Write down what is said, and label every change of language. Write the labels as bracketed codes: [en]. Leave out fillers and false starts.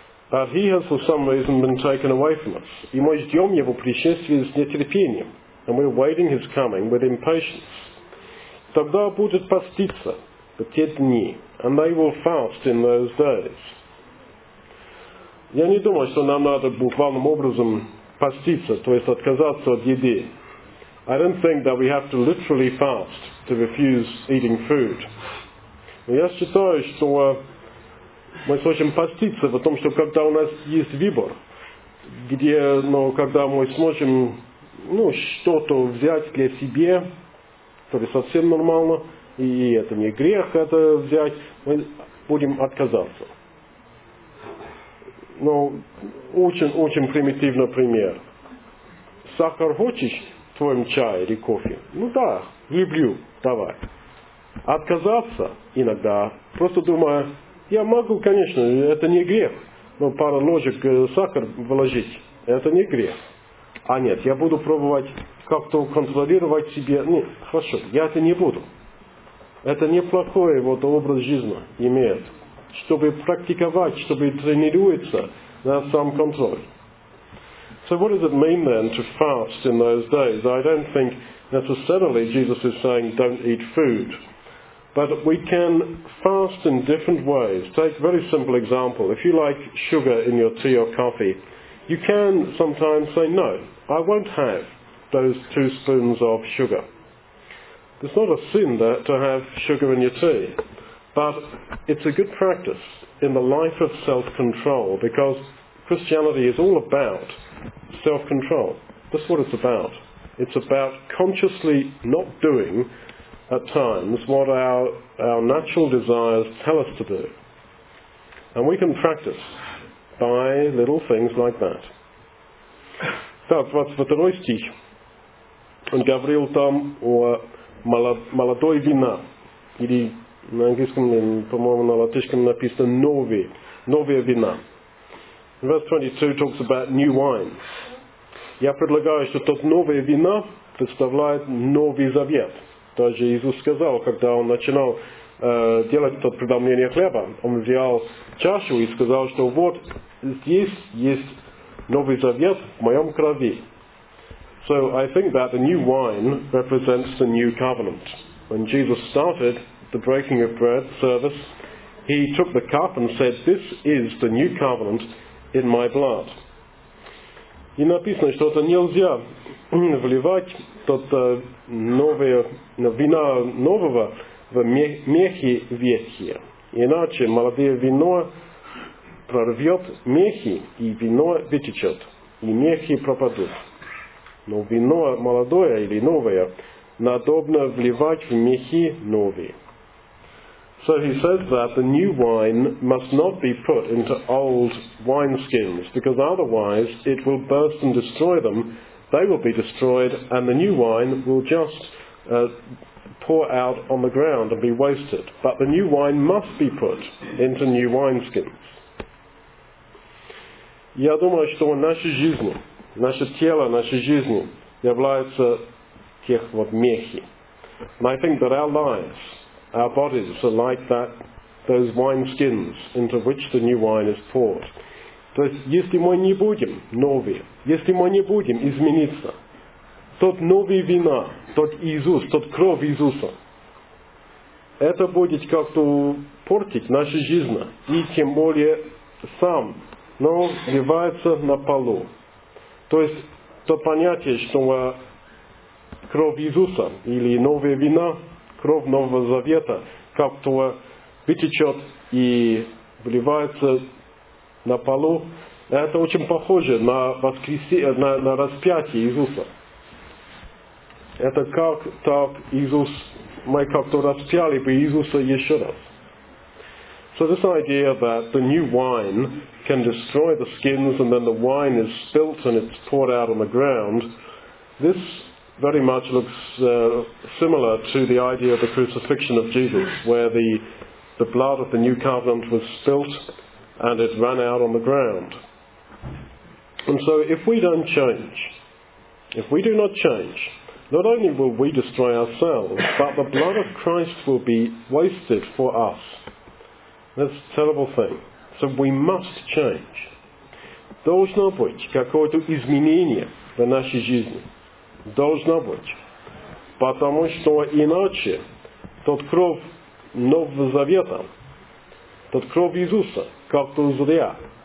[en] But he has for some reason been taken away from us. [ru] И мы ждем его пришествия с нетерпением. [en] And we're waiting his coming with impatience. [ru] Тогда будет поститься в те дни. [en] And they will fast in those days. [ru] Я не думаю, что нам надо буквальным образом поститься, то есть отказаться от еды. [en] I don't think that we have to literally fast to refuse eating food. [ru] Но я считаю, что мы сможем поститься в том, что когда у нас есть выбор, где, ну, когда мы сможем, ну, что-то взять для себя, то есть совсем нормально, и это не грех это взять, мы будем отказаться. Ну, очень-очень примитивный пример. Сахар хочешь в твоем чае или кофе? Ну да, люблю, давай. Отказаться иногда, просто думаю, я могу, конечно, это не грех, но пару ложек сахара вложить, это не грех. А нет, я буду пробовать как-то контролировать себе, ну, хорошо, я это не буду. Это неплохой вот образ жизни имеет. Чтобы практиковать, чтобы тренироваться на самоконтроль. [en] So what does it mean then to fast in those days? I don't think necessarily Jesus is saying don't eat food. But we can fast in different ways. Take a very simple example. If you like sugar in your tea or coffee, you can sometimes say no, I won't have those 2 spoons of sugar. It's not a sin that to have sugar in your tea. But it's a good practice in the life of self-control because Christianity is all about self-control. That's what it's about. It's about consciously not doing at times what our natural desires tell us to do. And we can practice by little things like that. [ru] Так, 22 стих. Он говорил там о молодой вине. Или на английском, по-моему, на латышском написано новая вина. [en] Verse 22 talks about new wine. [ru] Я предлагаю, что тот новая вина представляет новый завет. Даже Иисус сказал, когда он начинал делать тот преломление хлеба, он взял чашу и сказал, что вот здесь есть новый завет в моем крови. [en] So I think that the new wine represents the new covenant. When Jesus started the breaking of bread service, he took the cup and said, this is the new covenant in my blood. [ru] И написано, что это нельзя вливать тот вина нового в мехи ветхие. Иначе молодое вино прорвет мехи, и вино вытечет, и мехи пропадут. Но вино молодое или новое надобно вливать в мехи новые. [en] So he says that the new wine must not be put into old wineskins, because otherwise it will burst and destroy them, they will be destroyed, and the new wine will just pour out on the ground and be wasted. But the new wine must be put into new wineskins. [ru] Я думаю, что наша жизнь, наше тело, наша жизнь является тех вот мехи. [en] And I think that our lives, our bodies are like that, those wineskins into which the new wine is poured. [ru] То есть, если мы не будем новые, если мы не будем измениться, тот новый вина, тот Иисус, тот кровь Иисуса, это будет как-то портить нашу жизнь, и тем более сам, но вливается на полу. То есть, то понятие, что кровь Иисуса или новая вина, кровь Нового Завета как-то вытечет и вливается на полу. Это очень похоже на на распятие Иисуса. Это как так Иисус, мы как-то распяли бы Иисуса еще раз. [en] So this idea that the new wine can destroy the skins and then the wine is spilt and it's poured out on the ground, this very much looks similar to the idea of the crucifixion of Jesus, where the blood of the new covenant was spilt and it ran out on the ground. And so if we don't change, if we do not change, not only will we destroy ourselves, but the blood of Christ will be wasted for us. That's a terrible thing. So we must change. [ru] Должно быть какое-то изменение в нашей жизни. Должно быть. Потому что иначе тот кровь Нового Завета, тот кровь Иисуса, как-то зря